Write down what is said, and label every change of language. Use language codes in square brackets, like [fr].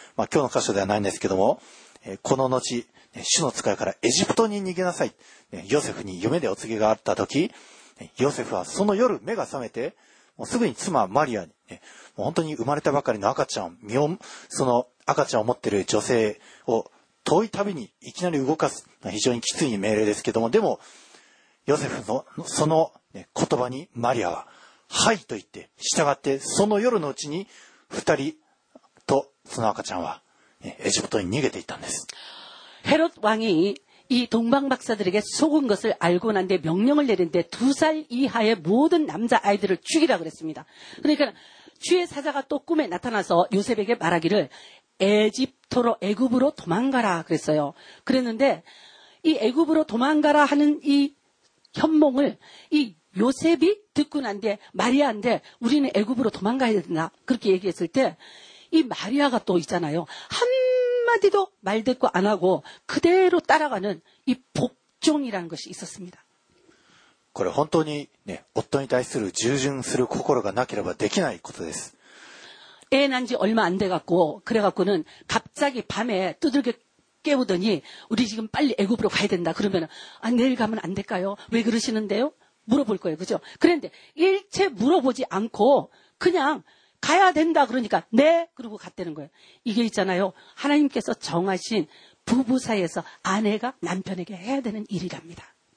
[ja] まあ、今日の箇所ではないんですけども、この後、主の使いからエジプトに逃げなさい、ね、ヨセフに夢でお告げがあった時、ヨセフはその夜目が覚めて、もうすぐに妻マリアに、ね、もう本当に生まれたばかりの赤ちゃん、その赤ちゃんを持っている女性を遠い旅にいきなり動かす、非常にきつい命令ですけども、でもヨセフのその、ね、言葉にマリアははいと言って従って、その夜のうちに二人とその赤ちゃんは、ね、エジプトに逃げていったんです。 [ko] ヘ롯 왕이 이 동방박사들에게 속은 것을 알고 난 뒤 명령을 내린 데 두 살 이하의 모든 남자 아이들을 죽이라 그랬습니다. 그러니까 주의 사자가 또 꿈에 나타나서 요셉에게 말하기를 에집토로 애굽으로 도망가라 그랬어요. 그랬는데 이 애굽으로 도망가라 하는 이 현몽을 이 요셉이 듣고 난 뒤 마리아한테 우리는 애굽으로 도망가야 된다 그렇게 얘기했을 때 이 마리아가 또 있잖아요. 한마디도 말 듣고 안 하고 그대로 따라가는 이 복종이라는 것이 있었습니다. [ja] これ本当に、ね、夫に対する従順する心がなければできないことです。 [ko] 애난지얼마안돼갖고그래갖고는갑자기밤에뚜들겨깨우더니우리지금빨리애굽으로가야된다그러면아내일가면안될까요왜그러시는데요물어볼거예요그죠그런데일체물어보지않고그냥가야된다그러니까네그러고갔다는거예요이게있잖아요하나님께서정하신부부사이에서아내가남편에게해야되는일이랍니다